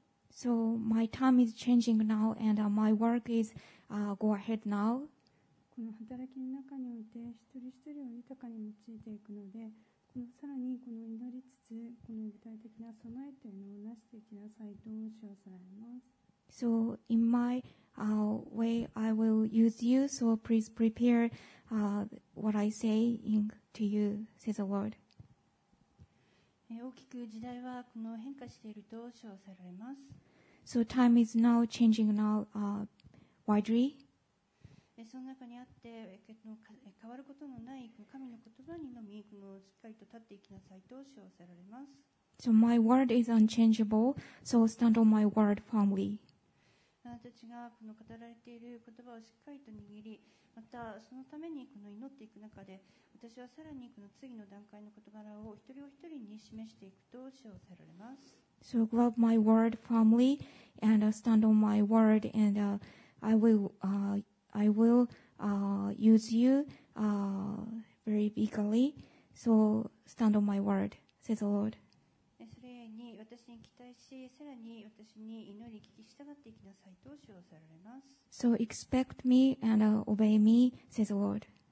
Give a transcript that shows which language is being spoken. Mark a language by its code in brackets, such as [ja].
[en] So my time is changing now and my work is go ahead now. [ja] この働きの中において一人一人を豊かに用いていくので、さらにこの祈りつつこの具体的な備えというのをなしていきなさいと称されます。 [en] So in my way I will use you, so please prepare what I say to you, says the Lord. [ja] 大きく時代はこの変化していると称されます。 [en] So time is now changing now widely. [ja] その中にあって変わることのない神の言葉にのみこのしっかりと立っていきなさいと称されます。 [en] So my word is unchangeable, so stand on my word firmly. [ja] あなたたちがこの語られている言葉をしっかりと握り、またそのためにこの祈っていく中で、私はさらにこの次の段階の言葉を一人お一人に示していくと称されます。 [en] So grab my word firmly and stand on my word and I will use you very eagerly. So stand on my word, says the Lord. [ja] それに私に期待し、さらに私に祈り聞き従っていきなさいと称されます。 [en] So expect me and obey me, says the Lord.